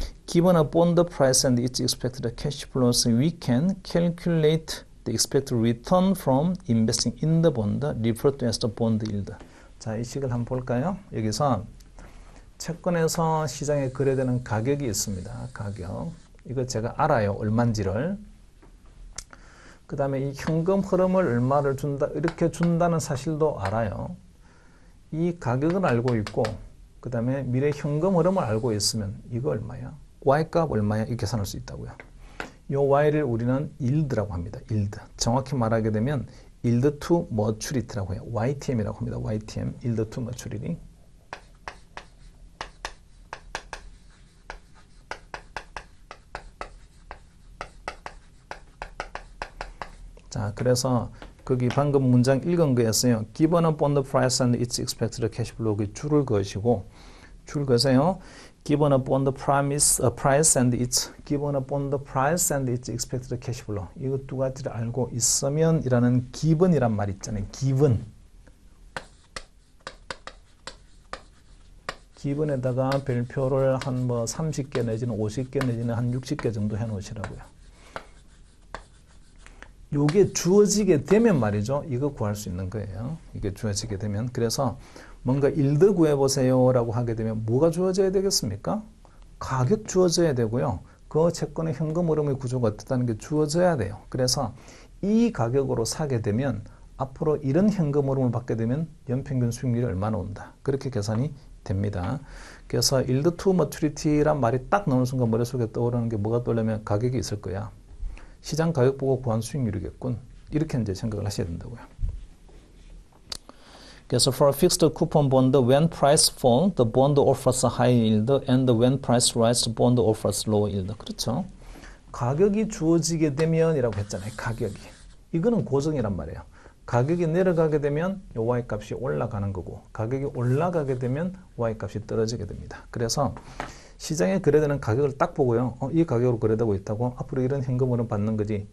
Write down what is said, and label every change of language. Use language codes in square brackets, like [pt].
[en] Given a bond price and its expected cash flows, we can calculate the expected return from investing in the bond, referred to as the bond yield. [ko] 자, 이 식을 한번 볼까요? 여기서 채권에서 시장에 거래되는 가격이 있습니다. 가격. 이거 제가 알아요. 얼만지를. 그 다음에 이 현금 흐름을 얼마를 준다, 이렇게 준다는 사실도 알아요. 이 가격은 알고 있고, 그 다음에 미래 현금 흐름을 알고 있으면, 이거 얼마야? Y 값 얼마야? 이렇게 계산할 수 있다고요. 요 Y를 우리는 yield라고 합니다. yield. 정확히 말하게 되면, yield to maturity라고 해요. YTM이라고 합니다. YTM. yield to maturity. 그래서 거기 방금 문장 읽은 거였어요. [en] Given upon the price and its expected cash flow. [ko] 그 줄을 그으시고, 줄 그으세요. [en] Given upon the promise, price and its, given upon the price and its expected cash flow. [ko] 이거 두 가지를 알고 있으면이라는 given이란 말 있잖아요. given. given에다가 별표를 한뭐 30개 내지는 50개 내지는 한 60개 정도 해 놓으시라고요. 요게 주어지게 되면 말이죠. 이거 구할 수 있는 거예요. 이게 주어지게 되면. 그래서 뭔가 일도 구해보세요라고 하게 되면 뭐가 주어져야 되겠습니까? 가격 주어져야 되고요. 그 채권의 현금 흐름의 구조가 어떻다는 게 주어져야 돼요. 그래서 이 가격으로 사게 되면 앞으로 이런 현금 흐름을 받게 되면 연평균 수익률이 얼마나 온다. 그렇게 계산이 됩니다. 그래서 일드 투 머추리티란 말이 딱 나오는 순간 머릿속에 떠오르는 게 뭐가 떠오르냐면 가격이 있을 거야. 시장 가격 보고 구한 수익률이겠군. 이렇게 이제 생각을 하셔야 된다고요. [en] 그래서 for a fixed coupon bond, when price falls, the bond offers high yield, and when price rises, bond offers low yield. [ko] 그렇죠? 가격이 주어지게 되면이라고 했잖아요. 가격이. 이거는 고정이란 말이에요. 가격이 내려가게 되면 Y 값이 올라가는 거고, 가격이 올라가게 되면 Y 값이 떨어지게 됩니다. 그래서 시장에 거래되는 가격을 딱 보고요. 이 가격으로 거래되고 있다고 앞으로 이런 현금으로 받는 거지.